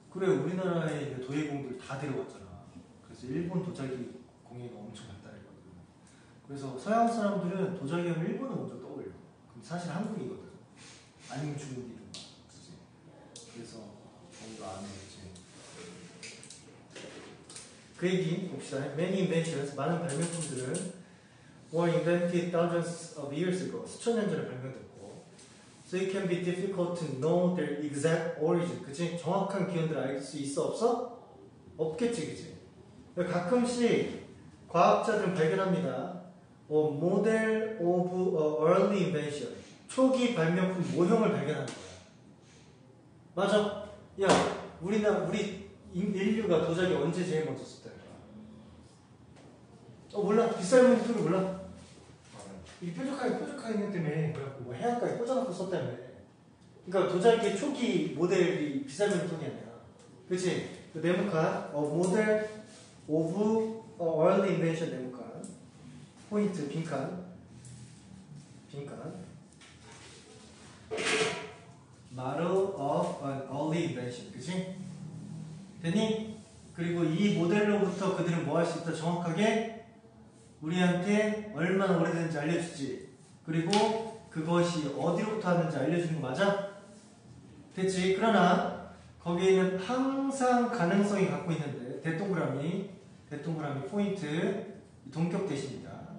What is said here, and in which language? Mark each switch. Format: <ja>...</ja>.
<ko>그래 우리나라의 도예공들 다 데려왔잖아. 그래서 일본 도자기 공예가 엄청 발달했거든. 그래서 서양 사람들은 도자기 하면 일본을 먼저 떠올려. 근데 사실 한국이거든. 아니면 중국이든. 그치? 그래서 뭔가 안에 그 얘기 봅시다.</ko> <en>Many inventions,</en> <ko>많은 발명품들은</ko> <en>were invented thousands of years ago.</en> <ko>수천 년 전에 발명됐고.</ko> <en>So it can be difficult to know their exact origin.</en> <ko>그치? 정확한 기원들을 알 수 있어? 없어? 없겠지, 그치? 가끔씩 과학자들은 발견합니다.</ko> <en>Model of early invention.</en> <ko>초기 발명품 모형을 발견하는 거야. 맞아. 야, 우리 인류가 도자기 언제 제일 먼저 썼다? 몰라. 빗살무늬 툴을 몰라. 이 뾰족하게 있는 때문에 그래갖고 뭐 해안가에 꽂아놓고 썼다며. 그러니까 도자기의 초기 모델이 빗살무늬 툴이 아니야. 그치? 그 네모칸.</ko> <en>Model of early invention 네모칸.</en> <ko>포인트 빈칸.</ko> <en>Model of an early invention.</en> <ko>그치? 됐니? 그리고 이 모델로부터 그들은 뭐 할 수 있다 정확하게? 우리한테 얼마나 오래됐는지 알려주지. 그리고 그것이 어디로부터 왔는지 알려주는 거 맞아? 됐지. 그러나 거기에는 항상 가능성이 갖고 있는데 대동그라미 포인트 동격 대신입니다.</ko>